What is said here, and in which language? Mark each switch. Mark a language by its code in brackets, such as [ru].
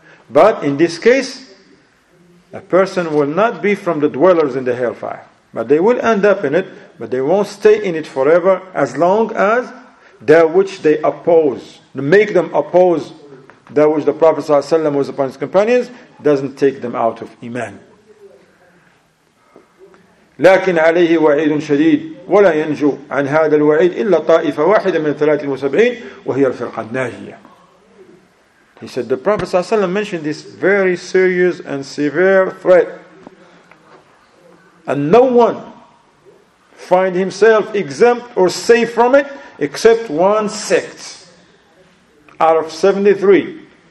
[en] But in this case, a person will not be from the dwellers in the hellfire, but they will end up in it, but they won't stay in it forever as long as that which they oppose, make them oppose that which the Prophet ﷺ was upon his companions, doesn't take them out of iman. [ar] لكن عليه وعيد شديد ولا ينجو عن هذا الوعيد إلا طائفة واحدة من 73 وهي الفرقة الناجية. [en] He said, the Prophet ﷺ mentioned this very serious and severe threat. And no one find himself exempt or safe from it except one sect out of 73.